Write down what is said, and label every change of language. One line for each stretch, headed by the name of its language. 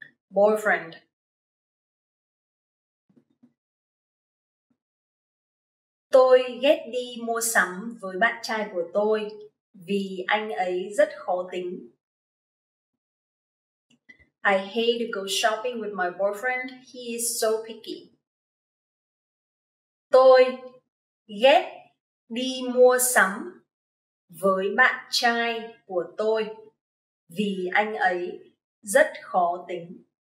English: Boyfriend.
Vietnamese: Tôi ghét đi mua sắm với bạn trai của tôi vì anh ấy rất khó tính.
English: I hate to go shopping with my boyfriend. He is so picky.
Vietnamese: Tôi ghét đi mua sắm với bạn trai của tôi vì anh ấy rất khó tính.